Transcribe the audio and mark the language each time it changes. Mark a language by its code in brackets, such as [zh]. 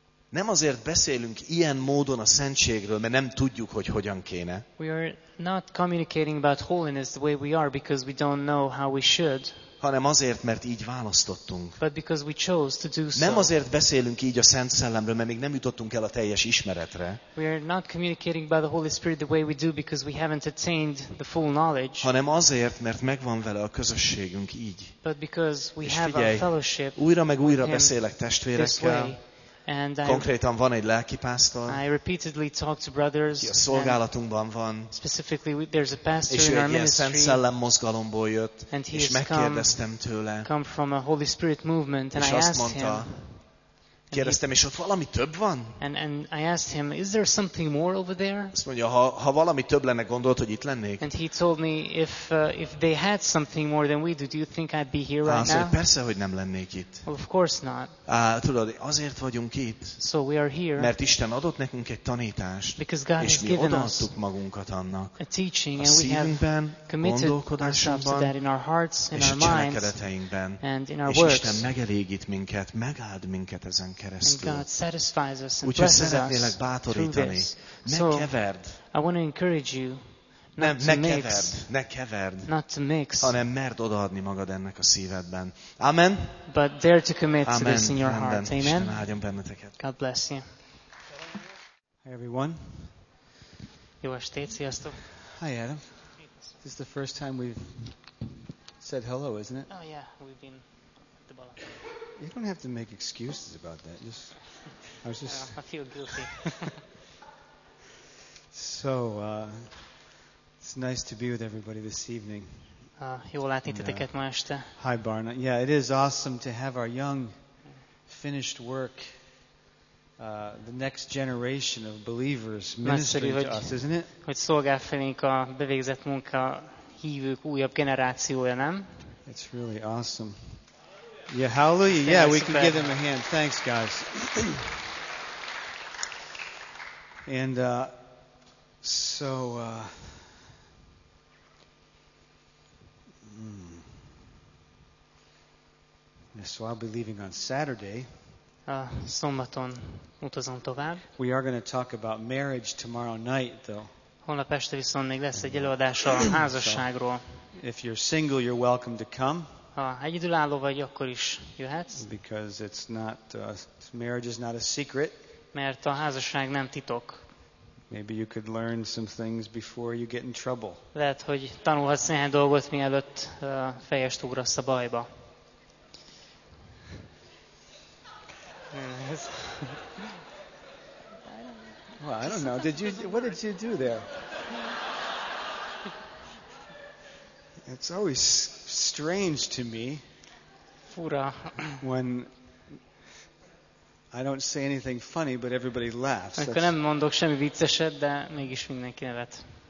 [hu] Nem azért beszélünk ilyen módon a szentségről, mert nem tudjuk, hogy hogyan kéne. [en] We are not communicating about holiness the way we are because we don't know how we should. [hu] Hanem azért, mert így választottunk. [en] But because we chose to do so. [hu] Nem azért beszélünk így a Szent Szellemről, mert még nem jutottunk el a teljes ismeretre. [en] We are not communicating by the Holy Spirit the way we do because we haven't attained the full knowledge. [hu] Hanem azért, mert megvan vele a közösségünk így. [en] But because we have [hu] figyelj, [en] our fellowship. [hu] Újra meg újra beszélek testvérekkel. [en] And [hu] konkrétan van egy lelkipásztor. [en] I repeatedly talk to brothers. [hu] A szolgálatunkban van. [en] Specifically, there's a pastor in our ministry. [hu] És egy Szent Szellem mozgalomból jött. És megkérdeztem tőle. [en] Come from a Holy Spirit movement, and I asked him. [hu] Kérdeztem, és ott valami több van? [en] And I asked him, is there something more over there? [hu] Azt mondja, ha valami több lenne, gondolt, hogy itt lennék? [en] And he told me, if they had something more than we do you think I'd be here right now? [hu] Persze, hogy nem lennék itt. [en] Well, of course not. [hu] Tudod, azért vagyunk itt. [en] So we are here. [hu] Mert Isten adott nekünk egy tanítást. [en] Because God [hu] és [en] has given [hu] mi odaadtuk magunkat annak. [en] A teaching, [hu] a szívünkben, gondolkodásunkban, [en] that in our hearts, in [hu] és [en] our minds, [hu] cselekedeteinkben. [en] And in our [hu] és [en] works. [hu] Isten megelégít minket, megáld minket ezen keresztül. [en] And God satisfies us and [hu] úgyhogy szeretnélek bátorítani. Ne [en] so, [hu] keverd. [en] I want to encourage you. [hu] Nem, ne keverd. [en] Not to mix. [hu] Hanem merd odaadni magad ennek a szívedben. [en] Amen. But dare to commit to this in your heart. Amen. [hu] Isten áldjon benneteket. [en] God bless you. Hi everyone. [hu] Jó estét, sziasztok. [en] Hi Adam. This is the first time we've said hello, isn't it? Oh yeah, we've been to Balaam. You don't have to make excuses about that. Just, I was just. I feel guilty. So, it's nice to be with everybody this evening. [hu] Jó látniteket ma este. [en] Hi, Barna. Yeah, it is awesome to have our young, finished work, the next generation of believers ministering to us, isn't it? [hu] Hogy szolgál felénk a bevégzett munka hívők újabb generációja, nem? [en] It's really awesome. Yeah, hallelujah. Yeah, we can give them a hand. Thanks, guys. And so I'll be leaving on Saturday. [hu] Szombaton utazom tovább. [en] We are going to talk about marriage tomorrow night, though. [hu] Holnap este viszont még lesz egy előadás a házasságról. [en] If you're single, you're welcome to come. [hu] Ha egyedülálló vagy, akkor is jöhetsz. [en] Because it's not marriage is not a secret. [hu] Mert a házasság nem titok. [en] Maybe you could learn some things before you get in trouble. [hu] Lehet, hogy tanulhatsz néhány dolgot, mielőtt fejest ugrasz a bajba. [en] Well, I don't know. What did you do there? It's always strange to me when I don't say anything funny, but everybody laughs. [hu] Akkor nem mondok semmi vicceset, de mégis mindenki nevet.